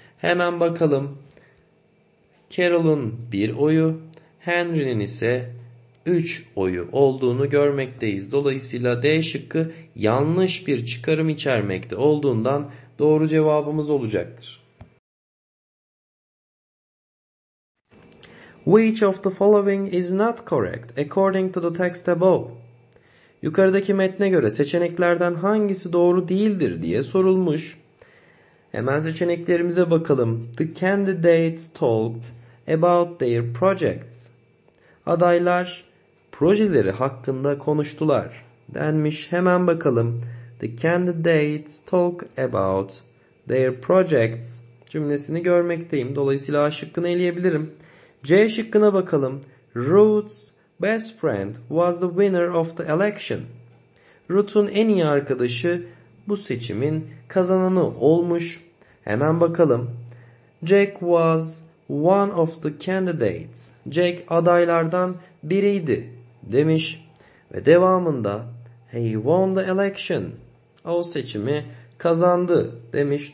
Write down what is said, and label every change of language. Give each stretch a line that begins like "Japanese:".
Turkish: Hemen bakalım. Carol'un 1 oyu, Henry'nin ise 3 oyu olduğunu görmekteyiz. Dolayısıyla D şıkkı yanlış bir çıkarım içermekte olduğundan doğru cevabımız olacaktır.
English: Which of the following is not correct according to the text above?
Turkish: Yukarıdaki metne göre seçeneklerden hangisi doğru değildir diye sorulmuş. Hemen seçeneklerimize bakalım.
English: The candidates talked about their projects.
Turkish: Adaylar projeleri hakkında konuştular denmiş. Hemen bakalım.
English: The candidates talk about their projects
Turkish: cümlesini görmekteyim. Dolayısıyla A şıkkını eleyebilirim. C şıkkına bakalım.
English: Ruth's best friend was the winner of the election.
Turkish: Ruth'un en iyi arkadaşı bu seçimin kazananı olmuş. Hemen bakalım.
English: Jack was one of the candidates.
Turkish: Jack adaylardan biriydi demiş. Ve devamında
English: he won the election.
Turkish: O seçimi kazandı demiş.